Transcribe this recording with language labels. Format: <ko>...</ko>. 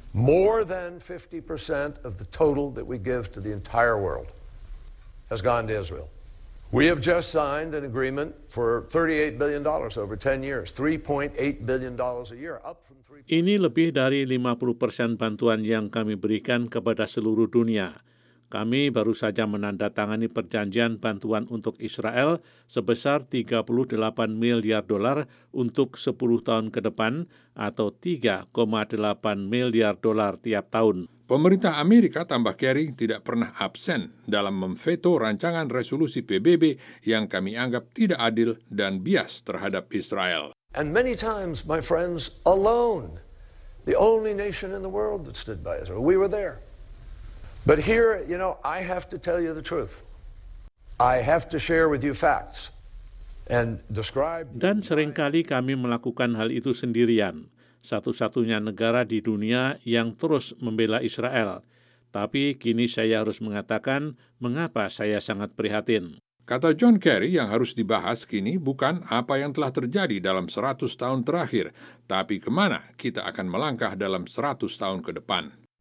<en>More than 50% of the total that we give to the entire world has gone to Israel We have just signed an agreement for $38 billion over 10 years, $3.8 billion a year, up from 3.</en> <id>Ini lebih dari 50% bantuan yang kami berikan kepada seluruh dunia. Kami baru saja menandatangani perjanjian bantuan untuk Israel sebesar 38 miliar dolar untuk 10 tahun ke depan atau 3,8 miliar dolar tiap tahun. Pemerintah Amerika, tambah Kerry, tidak pernah absen dalam memveto rancangan resolusi PBB yang kami anggap tidak adil dan bias terhadap Israel.</id> <en>And many times, my friends, alone, the only nation in the world that stood by Israel, we were there. But here, you know, I have to tell you the truth. I have to share with you facts and describe.</en> <id>Dan seringkali kami melakukan hal itu sendirian. Satu-satunya negara di dunia yang terus membela Israel. Tapi kini saya harus mengatakan mengapa saya sangat prihatin. Kata John Kerry, yang harus dibahas kini bukan apa yang telah terjadi dalam 100 tahun terakhir, tapi kemana kita akan melangkah dalam 100 tahun ke depan.</id>